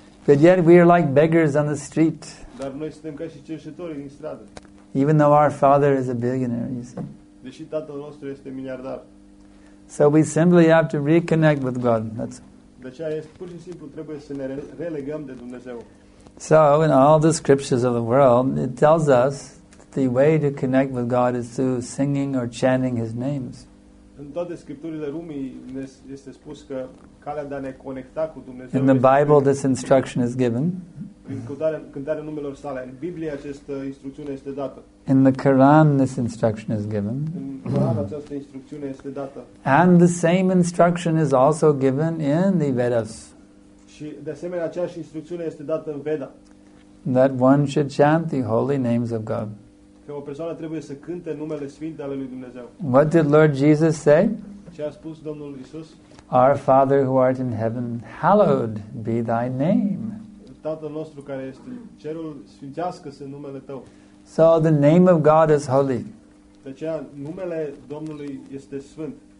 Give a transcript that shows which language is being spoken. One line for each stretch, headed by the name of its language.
English: But yet we are like beggars on the street.
Romanian: Dar noi suntem ca și cerșetori în stradă.
English: Even though our father is a billionaire, you see.
Romanian: Deși tatăl nostru este miliardar.
English: So we simply have to reconnect with God. That's all.
Romanian: De aceea este pur și simplu trebuie să ne relegăm de Dumnezeu.
English: So, in all the scriptures of the world, it tells us that the way to connect with God is through singing or chanting his names.
Romanian: În toate scripturile Rumii este spus că calea de a ne conecta cu Dumnezeu.
English: In the Bible this instruction is given.
Romanian: În cântarea numelor sale, în Biblie această instrucțiune este dată.
English: In the Quran this instruction is given.
Romanian: În Quran această instrucțiune este dată.
English: And the same instruction is also given in the Vedas.
Romanian: Și de asemenea aceeași instrucțiune este dată în Veda.
English: That one should chant the holy names of God.
Romanian: Că o persoană trebuie să cânte numele sfinte ale lui Dumnezeu.
English: What did Lord Jesus say?
Romanian: Ce a spus Domnul Iisus?
English: Our Father who art in heaven, hallowed be thy name.
Romanian: Tatăl nostru care este în cerul, sfințească-se numele tău.
English: So the name of God is holy.
Romanian: De aceea numele Domnului este sfânt.